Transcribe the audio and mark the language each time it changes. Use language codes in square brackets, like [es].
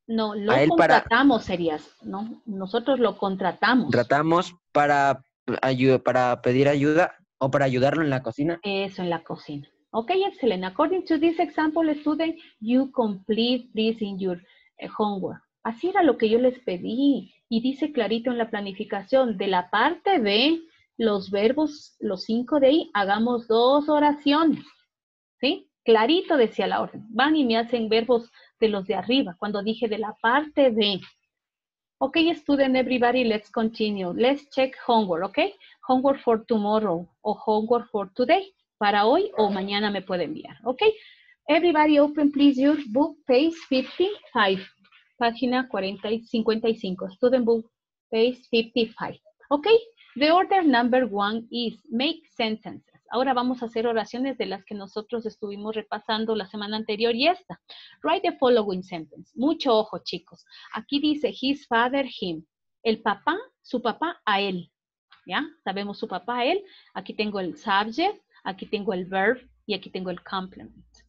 [es] No, lo a él contratamos, para, serías, ¿no? Nosotros lo contratamos. Tratamos para pedir ayuda o para ayudarlo en la cocina. [en] Eso, en la cocina. Okay, excellent. According to this example, student, you complete this in your homework. [es] Así era lo que yo les pedí. Y dice clarito en la planificación, de la parte de los verbos, los cinco de ahí, hagamos dos oraciones. ¿Sí? Clarito decía la orden. Van y me hacen verbos de los de arriba, cuando dije de la parte de. [en] Ok, student, everybody, let's continue. Let's check homework, ok? Homework for tomorrow o homework for today. [es] Para hoy o mañana me puede enviar, [en] ok? Everybody, open please your book, page 55. [es] Página 55, [en] student book, page 55. Ok, the order number one is make sentences. [es] Ahora vamos a hacer oraciones de las que nosotros estuvimos repasando la semana anterior y esta. [en] Write the following sentence. [es] Mucho ojo, chicos. [en] Aquí dice his father, him. [es] El papá, su papá, a él. ¿Ya? Sabemos su papá, a él. [en] Aquí tengo el subject, aquí tengo el verb y aquí tengo el complement.